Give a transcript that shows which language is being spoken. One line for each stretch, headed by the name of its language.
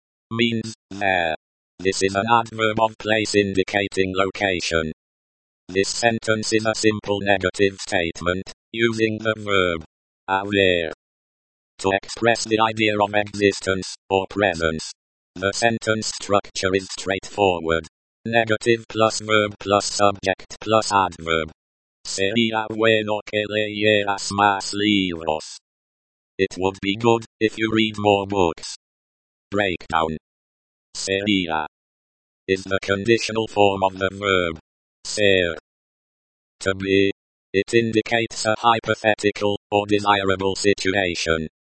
English: means there. This is an adverb of place indicating location. This sentence is a simple negative statement, using the verb aware to express the idea of existence or presence. The sentence structure is straightforward. Negative plus verb plus subject plus adverb.
Spanish: Sería bueno que leyeras más libros.
English: It would be good if you read more books. Breakdown. Sería is the conditional form of the verb ser. To be. It indicates a hypothetical or desirable situation.